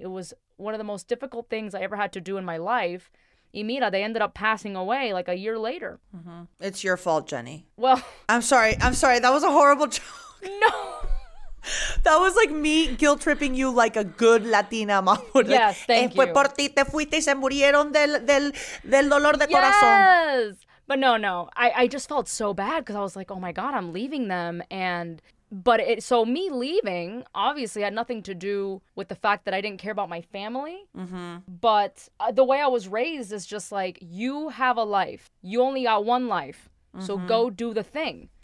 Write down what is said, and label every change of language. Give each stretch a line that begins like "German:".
English: It was one of the most difficult things I ever had to do in my life. Emira, they ended up passing away like a year later. Mm-hmm. It's your fault, Jenny. Well, I'm sorry. That was a horrible joke. No. That was like me guilt tripping you like a good Latina mom would. Yes, like, thank you.
Spanish: Fue por ti, te fuiste y se murieron del dolor de corazón.
English: Yes. But no. I just felt so bad because I was like, oh my God, I'm leaving them. So me leaving obviously had nothing to do with the fact that I didn't care about my family. Mm-hmm. But the way I was raised is just like, you have a life. You only got one life. Mm-hmm. So go do the thing.